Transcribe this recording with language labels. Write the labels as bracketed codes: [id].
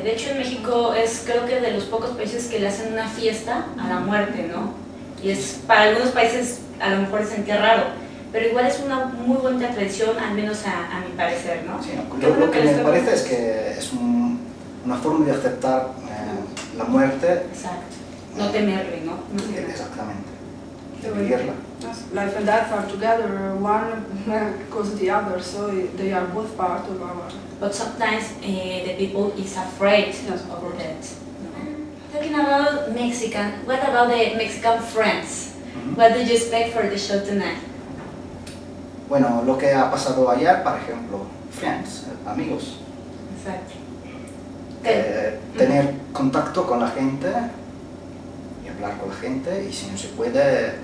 [es] De hecho, en México es, creo que, de los pocos países que le hacen una fiesta a la muerte, ¿no? Y es, para algunos países, a lo mejor se siente raro, pero igual es una muy buena tradición, al menos a mi parecer, ¿no? Sí, lo que me parece es que es una forma de aceptar la muerte. Exacto. No temerle, ¿no? Exactamente. Vivirla. [en] Life and death are together, one because the other, so they are both part of our... But sometimes the people is afraid of death. Talking about Mexican, what about the Mexican friends? Mm-hmm. What did you expect for the show tonight? [es] Bueno, lo que ha pasado ayer, por ejemplo, friends, amigos. Exacto. Tener contacto con la gente, y hablar con la gente, y si no se puede...